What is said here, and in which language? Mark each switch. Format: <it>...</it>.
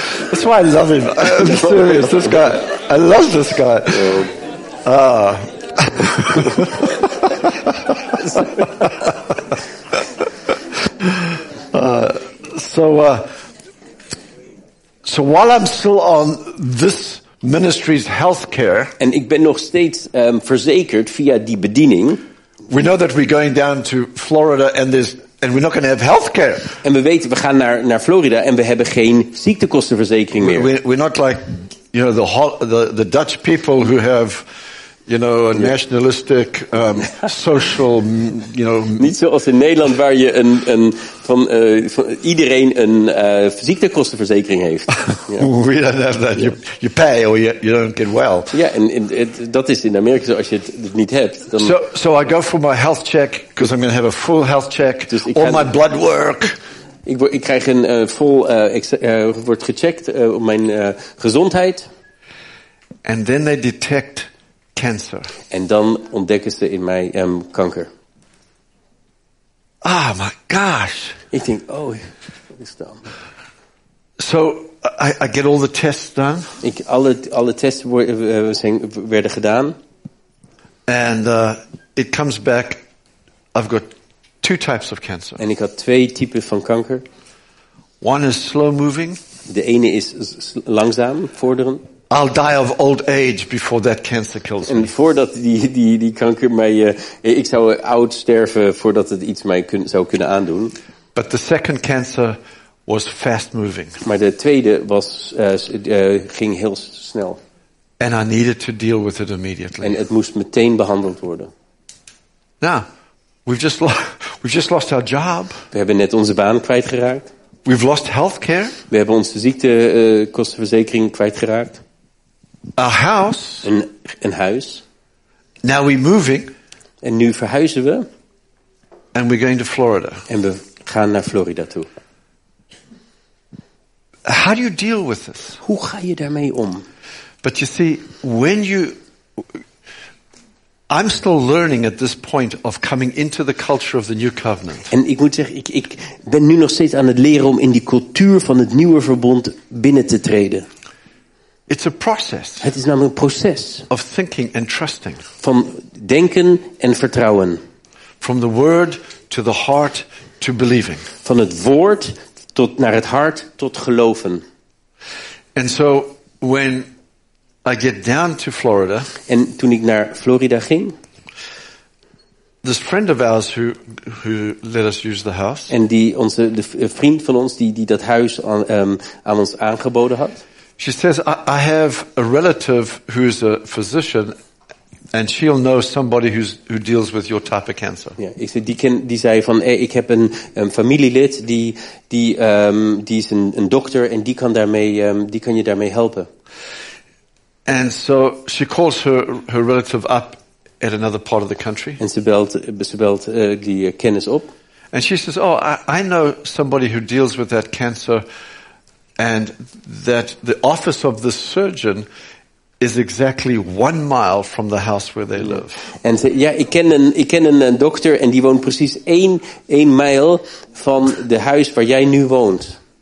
<en>That's why I love him. I'm serious, this guy. I love this guy. So while I'm still on this ministry's healthcare.</en> <nl>En ik ben nog steeds verzekerd via die bediening.</nl> <en>We know that we're going down to Florida and we're not going to have healthcare.</en> <nl>En we weten we gaan naar Florida en we hebben geen ziektekostenverzekering meer.</nl> <en>We're not like, you know, the Dutch people who have, you know, a nationalistic social, you know.</en> <nl>Niet zoals in Nederland waar je van iedereen een ziektekostenverzekering heeft.</nl> <en>Yeah. We don't have that. Yeah. You pay or you don't get well.</en> <nl>Ja, yeah, en dat is in Amerika zo. Als je het niet hebt, dan.</nl> <en>So I go for my health check because I'm going to have a full health check. Dus all my blood work.</en> <nl>Ik krijg een vol wordt gecheckt op mijn gezondheid.</nl> <en>And then they detect.</en> <nl>En dan ontdekken ze in mij kanker.</nl> <en>Ah, my gosh.</en> <nl>Ik denk, oh, wat is dat?</nl> <en>So, I get all the tests done.</en> <nl>Alle tests werden gedaan.</nl> <en>And it comes back, I've got two types of cancer.</en> <nl>En ik had twee typen van kanker.</nl> <en>One is slow moving.</en> <nl>De ene is langzaam vorderen.</nl> <en>I'll die of old age before that cancer kills me.</en> <nl>En voordat die kanker mij, ik zou oud sterven voordat het iets mij zou kunnen aandoen.</nl> <en>But the second cancer was fast moving.</en> <nl>Maar de tweede was ging heel snel.</nl> <en>And I needed to deal with it immediately.</en> <nl>En het moest meteen behandeld worden.</nl> <en>Now, we've just lost our job.</en> <nl>We hebben net onze baan kwijtgeraakt.</nl> <en>We've lost healthcare.</en> <nl>We hebben onze ziektekostenverzekering kwijtgeraakt.</nl> <en>A house.</en> <nl>Een huis.</nl> <en>Now we're moving.</en> <nl>En nu verhuizen we.</nl> <en>And we're going to Florida.</en> <nl>En we gaan naar Florida toe.</nl> <en>How do you deal with this?</en> <nl>Hoe ga je daarmee om?</nl> <en>But you see, when you, I'm still learning at this point of coming into the culture of the new covenant.</en> <nl>En ik moet zeggen, ik ben nu nog steeds aan het leren om in die cultuur van het nieuwe verbond binnen te treden.</nl> <en>It's a process.</en> <nl>Het is namelijk een proces.</nl> <en>Of thinking and trusting.</en> <nl>Van denken en vertrouwen.</nl> <en>From the word to the heart to believing.</en> <nl>Van het woord tot naar het hart tot geloven.</nl> <en>And so when I get down to Florida.</en> <nl>En toen ik naar Florida ging.</nl> <en>This friend of ours who let us use the house.</en> <nl>En die onze vriend van ons die dat huis aan ons aangeboden had.</nl> <en>She says I have a relative who's a physician and she'll know somebody who deals with your type of cancer.</en> <nl>Ja, ik zei die zei van ik heb een familielid die is een dokter en die kan daarmee die kan je daarmee helpen.</nl> <en>And so she calls her relative up at another part of the country.</en> <nl>En ze belt die kennis op.</nl> <en>And she says, "Oh, I know somebody who deals with that cancer, and that the office of the surgeon is exactly 1 mile from the house where they live."</en> <nl>En ze, ja, ik ken een dokter en die woont precies 1 mijl van de huis waar jij nu woont.</nl>